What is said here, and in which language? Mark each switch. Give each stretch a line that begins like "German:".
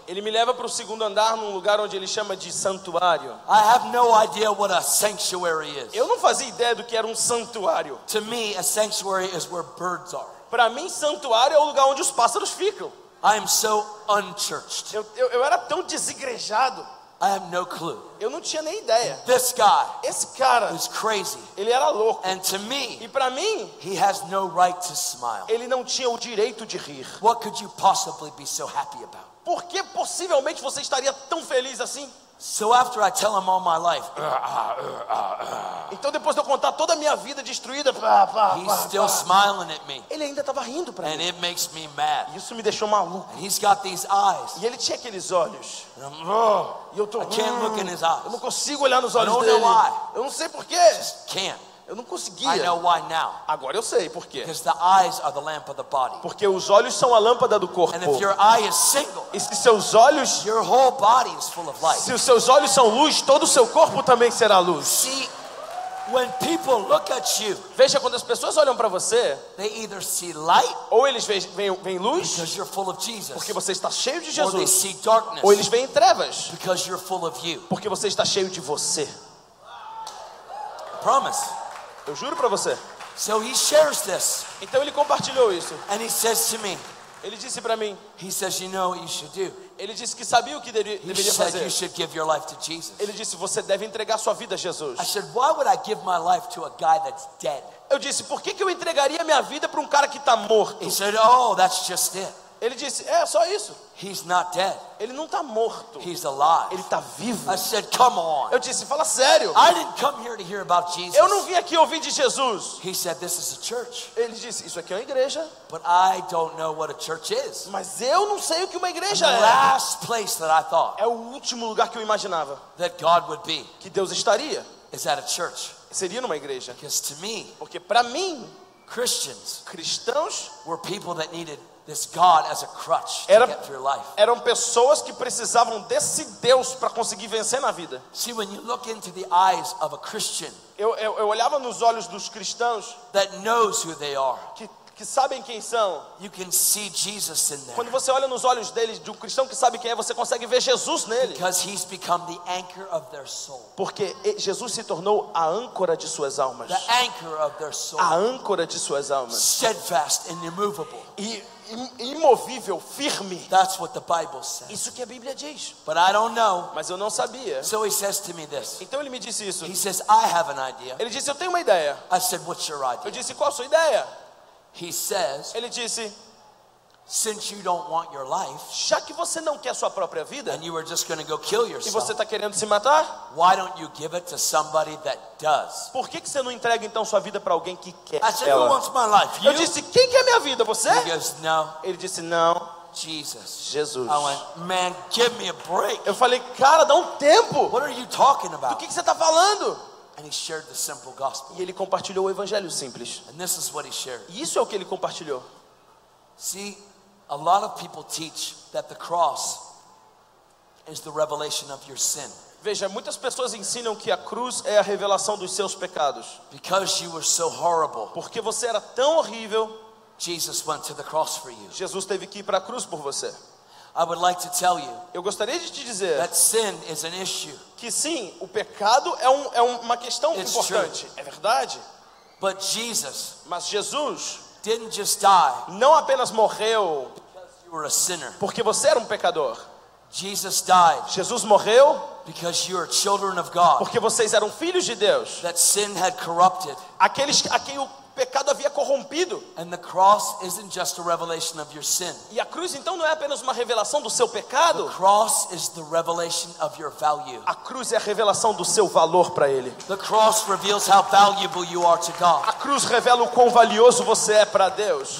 Portuguese: Ele me leva para o segundo andar, num lugar onde ele chama de santuário.
English: I have no idea what a sanctuary is.
Portuguese: Eu não fazia ideia do que era santuário.
English: To me, a sanctuary is where birds are.
Portuguese: Para mim, santuário é o lugar onde os pássaros ficam.
English: I am so unchurched.
Portuguese: Eu era tão desigrejado.
English: I have no clue.
Portuguese: Eu não tinha nem ideia.
English: This guy,
Portuguese: esse cara,
English: is crazy.
Portuguese: Ele era louco.
English: And to me,
Portuguese: e para mim,
English: he has no right to smile.
Portuguese: Ele não tinha o direito de rir.
English: What could you possibly be so happy about?
Portuguese: Por que possivelmente você estaria tão feliz assim?
English: So after I tell him all my life,
Portuguese: então depois de eu contar toda a minha vida destruída,
English: he's still smiling at me.
Portuguese: Ele ainda estava rindo para mim.
English: And it makes me mad.
Portuguese: Isso me deixou maluco.
English: And he's got these eyes.
Portuguese: E ele tinha aqueles olhos. E eu tô,
English: I can't look in his eyes.
Portuguese: Eu não consigo olhar nos olhos dele.
English: I don't know why.
Portuguese: Eu não sei por quê.
English: Just can't.
Portuguese: Eu não conseguia.
English: I know why now.
Portuguese: Agora eu sei por quê.
English: Because the eyes are the lamp of the body.
Portuguese: Porque os olhos são a lâmpada do corpo.
English: And if your eye is single,
Portuguese: e se seus olhos,
English: your whole body is full of light.
Portuguese: Se os seus olhos são luz, todo o seu corpo também será luz.
English: See, when people look at you,
Portuguese: veja, quando as pessoas olham para você,
English: they either see light,
Portuguese: ou eles veem luz,
English: because you're full of Jesus,
Portuguese: porque você está cheio de Jesus,
English: or they see darkness,
Portuguese: ou eles veem trevas,
English: because you're full of you,
Portuguese: porque você está cheio de você.
English: I promise.
Portuguese: Eu juro para você.
English: So he shares this.
Portuguese: Então ele compartilhou isso.
English: And he says to me,
Portuguese: Ele disse para mim.
English: He says, you know what you should do.
Portuguese: Ele disse que sabia o que deveria fazer.
English: You should give your life to Jesus.
Portuguese: Ele disse, você deve entregar sua vida a Jesus.
English: I said, why would I give my life to a guy that's dead?
Portuguese: Eu disse, por que eu entregaria minha vida para cara que está morto?
English: He said, oh, that's just it.
Portuguese: Ele disse, é só isso.
English: He's not dead.
Portuguese: Ele não está morto.
English: He's alive.
Portuguese: Ele está vivo.
English: I said, come on.
Portuguese: Eu disse, fala sério.
English: I didn't come here to hear about Jesus.
Portuguese: Eu não vim aqui ouvir de Jesus.
English: He said, this is a church.
Portuguese: Ele disse, isso aqui é uma igreja.
English: But I don't know what a church is.
Portuguese: Mas eu não sei o que uma igreja
English: the
Portuguese: é.
English: Last place that I thought
Portuguese: é o último lugar que eu imaginava.
English: That God would be.
Portuguese: Que Deus estaria.
English: Is at a church.
Portuguese: Seria numa igreja.
English: Because to me,
Portuguese: porque para mim,
English: Christians,
Portuguese: cristãos,
English: were people that needed this God as a crutch to get through life.
Portuguese: Eram pessoas que precisavam desse Deus para conseguir vencer na vida.
English: See, when you look into the eyes of a Christian,
Portuguese: eu olhava nos olhos dos cristãos
English: that knows who they are,
Portuguese: que sabem quem são.
English: You can see Jesus in them.
Portuguese: Quando você olha nos olhos deles, de um cristão que sabe quem é, você consegue ver Jesus nele.
English: Because he's become the anchor of their soul.
Portuguese: Porque Jesus se tornou a âncora de suas almas.
English: The anchor of their soul.
Portuguese: A âncora de suas almas.
English: Steadfast and immovable.
Portuguese: E imovível, firme.
English: That's what the Bible says.
Portuguese: Isso que a Bíblia diz.
English: But I don't know.
Portuguese: Mas eu não sabia.
English: So he says to me this.
Portuguese: Então ele me disse isso.
English: He says, I have an idea.
Portuguese: Ele disse, eu tenho uma ideia.
English: I said, what's your idea?
Portuguese: Eu disse, qual a sua ideia?
English: He says,
Portuguese: ele disse,
English: since you don't want your life,
Portuguese: já que você não quer sua própria vida,
English: and you are just going to go kill yourself,
Portuguese: e você está querendo se matar,
English: why don't you give it to somebody that does?
Portuguese: Por que você não entrega então sua vida para alguém que quer ela?
English: I said, who wants my life? You?
Portuguese: Eu disse, quem quer minha vida? Você?
English: He goes, no.
Portuguese: Ele disse, não.
English: Jesus.
Portuguese: Jesus.
English: I went, man, give me a break.
Portuguese: Eu falei, cara, dá tempo.
English: What are you talking about?
Portuguese: Do que você está falando?
English: And he shared the simple gospel.
Portuguese: E ele compartilhou o evangelho simples.
English: And this is what he shared.
Portuguese: E isso é o que ele compartilhou.
English: See, a lot of people teach that the cross is the revelation of your sin.
Portuguese: Veja, muitas pessoas ensinam que a cruz é a revelação dos seus pecados.
English: Because you were so horrible.
Portuguese: Porque você era tão horrível.
English: Jesus went to the cross for you.
Portuguese: Jesus teve que ir para a cruz por você.
English: I would like to tell you.
Portuguese: Eu gostaria de te dizer.
English: That sin is an issue.
Portuguese: Que sim, o pecado é uma questão
English: It's
Portuguese: importante.
English: True.
Portuguese: É verdade?
English: But Jesus.
Portuguese: Mas Jesus
English: didn't just die.
Portuguese: Não apenas morreu.
English: Because you were a sinner.
Portuguese: Porque você era pecador.
English: Jesus died.
Portuguese: Jesus morreu
English: because you are children of God.
Portuguese: Porque vocês eram filhos de Deus.
English: That sin had corrupted.
Portuguese: Aqueles a quem o pecado havia corrompido.
English: And the cross isn't just a revelation of your sin.
Portuguese: E a cruz então não é apenas uma revelação do seu pecado.
English: The cross is the revelation of your value.
Portuguese: A cruz é a revelação do seu valor para ele.
English: The cross reveals how valuable you are to God.
Portuguese: A cruz revela o quão valioso você é para Deus.